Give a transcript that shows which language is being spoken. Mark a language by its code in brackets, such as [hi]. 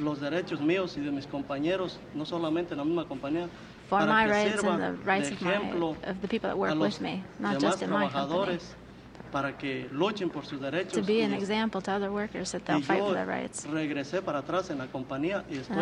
[es] Los derechos míos y de mis compañeros, no solamente en la misma compañía. [en] For my rights and the rights of the people that work with me, not just in my company, [es] para que luchen por sus derechos, [en] to be an example to other workers that they'll fight for their rights. [es] Regresé para atrás en la compañía y estoy